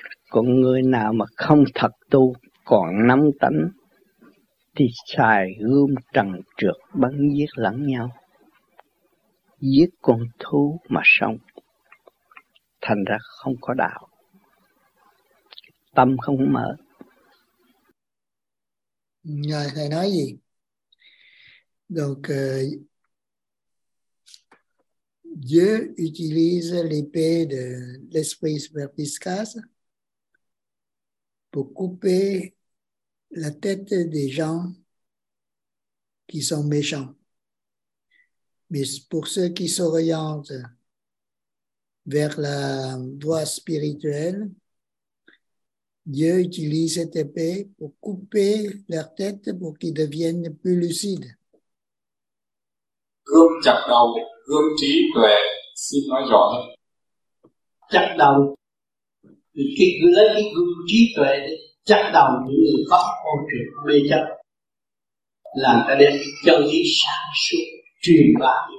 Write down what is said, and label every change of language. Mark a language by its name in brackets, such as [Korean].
[Vietnamese] Còn người nào mà không thật tu còn nắm tánh thì xài gươm trần trượt bắn giết lẫn nhau, giết con thú mà sống, thành ra không có đạo, tâm không mở. Nhờ thầy nói gì? [French] Donc Dieu utilise l'épée de l'esprit superficace pour couper la tête des gens qui sont méchants. Mais pour ceux qui s'orientent vers la voie spirituelle, Dieu utilise cette épée pour couper leur tête pour qu'ils deviennent plus lucides. [Vietnamese] Gươm chặt đầu, gươm trí tuệ, xin nói rõ hơn. Chặt đầu, thì cứ lấy cái gươm trí tuệ để chặt đầu những người pháp con chuyện mê chấp, làm ta đem chân lý sáng suốt truyền bá.